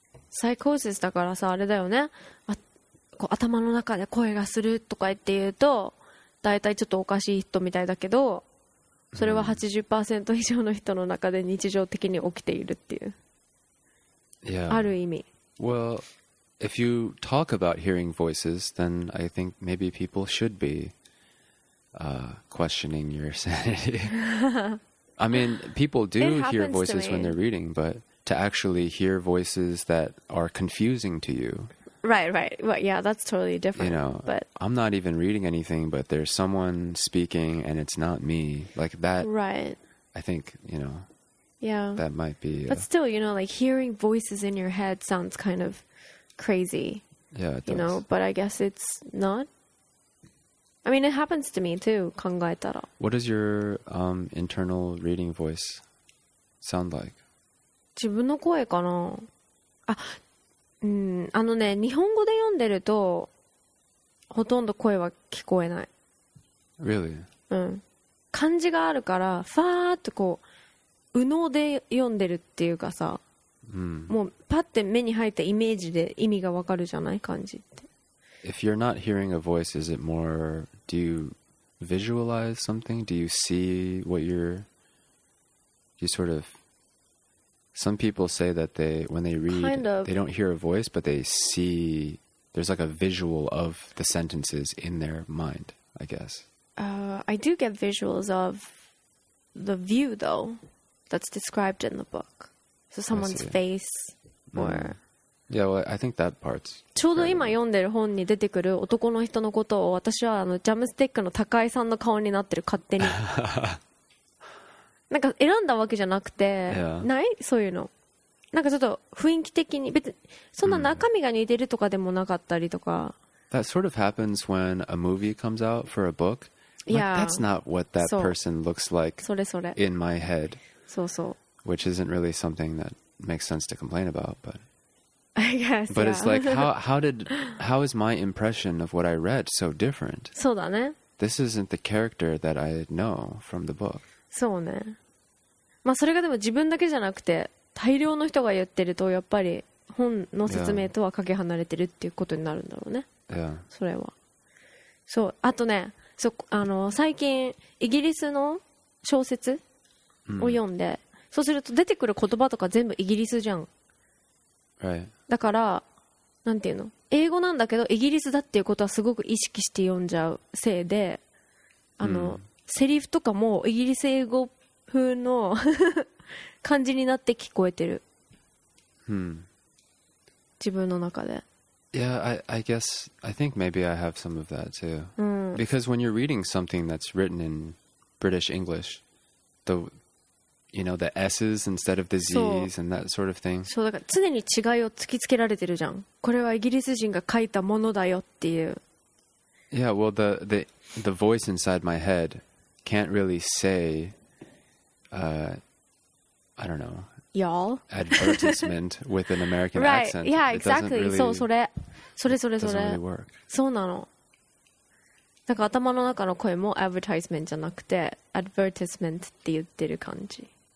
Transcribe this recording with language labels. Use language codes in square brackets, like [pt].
[ja] サイコーシスだからさ、あれだよね。こう頭の中で声がするとか言って言うと、だいたいちょっとおかしい人みたいだけど、それは 80% 以上の人の中で日常的に起きているっていう。 [en] Yeah. [ja] ある意味。 [en] Well... If you talk about hearing voices, then I think maybe people should be questioning your sanity. I mean, people do hear voices when they're reading, but to actually hear voices that are confusing to you. Right, right. Well, yeah, that's totally different. You know, but I'm not even reading anything, but there's someone speaking and it's not me. Like that. Right. I think, you know, yeah, that might be. But still, you know, like hearing voices in your head sounds kind of. Crazy, yeah, it you does. Know, but I guess it's not. I mean, it happens to me too. [ja] 考えたら. [en] What does your internal reading voice sound like? [ja] 自分の声かな。あ、うん、あのね、日本語で読んでるとほとんど声は聞こえない。 [en] Really? [ja] うん。漢字があるから、ファーってこう右脳で読んでるっていうかさ。 Mm. もうパッて目に入ったイメージで意味がわかるじゃない感じって。 [en] If you're not hearing a voice, is it more, do you visualize something? Do you see what you sort of, some people say that they, when they read, kind of. They don't hear a voice, but they see, there's like a visual of the sentences in their mind, I guess. I do get visuals of the view though, that's described in the book. So someone's face or... Yeah, well, I think that part's... [ja] ちょうど今読んでる本に出てくる男の人のことを私はあのジャムスティックの高井さんの顔になってる勝手に。なんか選んだわけじゃなくて、 [en] yeah. [ja] ないそういうの。なんかちょっと雰囲気的に、別にそんな中身が似てるとかでもなかったりとか。 [en] That sort of happens when a movie comes out for a book. Yeah. Like, that's not what that person looks like [ja] それそれ [en] in my head. [ja] そうそう。 [en] Which isn't really something that makes sense to complain about, but I guess. But yeah. it's like how is my impression of what I read so different? [ja] そうだね。 [en] This isn't the character that I know from the book. [ja] そうね。まあそれがでも自分だけじゃなくて大量の人が言ってるとやっぱり本の説明とはかけ離れてるっていうことになるんだろうね。 [en] Yeah. [ja] それは。そう。あとね、そあの最近イギリスの小説を読んで。 Mm. そうすると出てくる言葉とか全部イギリスじゃん、 [en] right. [ja] だからなんていうの英語なんだけどイギリスだっていうことはすごく意識して読んじゃうせいであの、mm. セリフとかもイギリス英語っ風の感じになって聞こえてる。自分の中で。 [en] Yeah, I guess I think maybe I have some of that too. Because when you're reading something that's written in British English, the you know the S's instead of the Z's and that sort of thing. [ja] そうだから常に違いを突きつけられてるじゃん。これはイギリス人が書いたものだよっていう。 [en] Yeah, well the voice inside my head can't really say, I don't know. Y'all. Advertisement with an American right. accent. Yeah, exactly. It doesn't really, [ja] それ [en] doesn't really work. [ja] そうなの。なんか頭の中の声も advertisement じゃなくて advertisement って言ってる感じ。